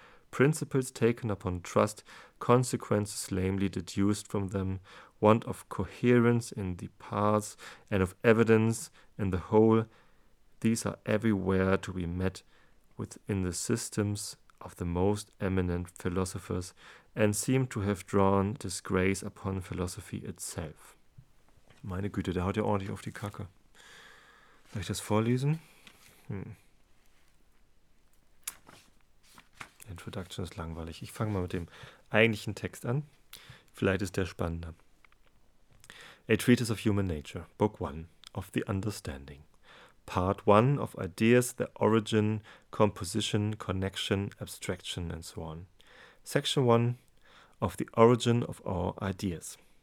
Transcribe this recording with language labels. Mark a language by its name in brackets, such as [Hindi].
[English] Principles taken upon trust, consequences lamely deduced from them, want of coherence in the parts and of evidence in the whole, these are everywhere to be met with in the systems of the most eminent philosophers and seem to have drawn disgrace upon philosophy itself. [German] Meine Güte, der haut ja ordentlich auf die Kacke. Soll ich das vorlesen? Introduction ist langweilig. Ich fange mal mit dem eigentlichen Text an. Vielleicht ist der spannender. [English] A Treatise of Human Nature, Book 1, of the Understanding. Part 1 of Ideas, their Origin, Composition, Connection, Abstraction, and so on. Section 1 of the Origin of Our Ideas.